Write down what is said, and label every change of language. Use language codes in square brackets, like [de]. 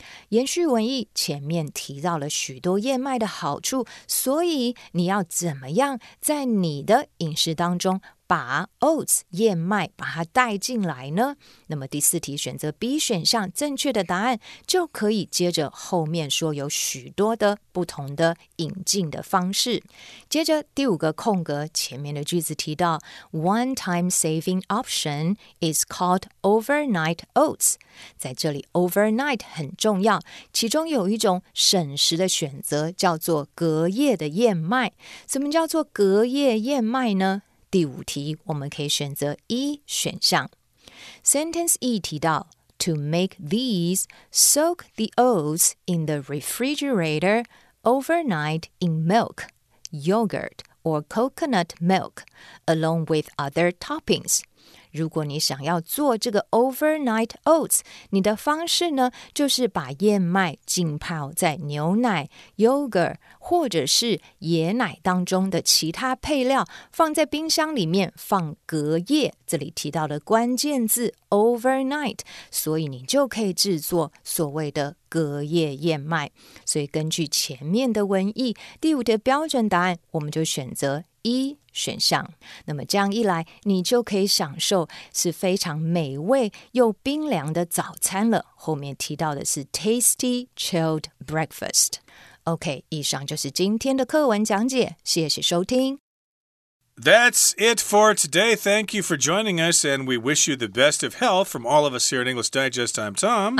[zh] 延续文意，前面提到了许多燕麦的好处，所以你要怎么样在你的饮食当中把 oats 燕麦把它带进来呢？那么第四题选择 B 选项，正确的答案就可以接着后面说有许多的不同的引进的方式。接着第五个空格，前面的句子提到 [en] One time saving option is called overnight oats。 [zh] 在这里 overnight 很重要，其中有一种省时的选择叫做隔夜的燕麦。什么叫做隔夜燕麦呢？第五题我们可以选择 E 选项。 [en] Sentence E [zh] 提到 [en] To make these, soak the oats in the refrigerator overnight in milk, yogurt, or coconut milk, along with other toppings. [zh] 如果你想要做这个 [en] overnight oats, [zh] 你的方式呢就是把燕麦浸泡在牛奶、 yogurt,或者是椰奶当中的其他配料，放在冰箱里面放隔夜。这里提到的关键字 overnight， 所以你就可以制作所谓的隔夜燕麦。所以根据前面的文意，第五的标准答案我们就选择 E 选项。那么这样一来，你就可以享受是非常美味又冰凉的早餐了。后面提到的是 [en] tasty chilled breakfast。 [zh] OK, 以上就是今天的课文讲解，谢谢收听。 [en] That's it for today. Thank you for joining us, and we wish you the best of health from all of us here at English Digest. I'm Tom.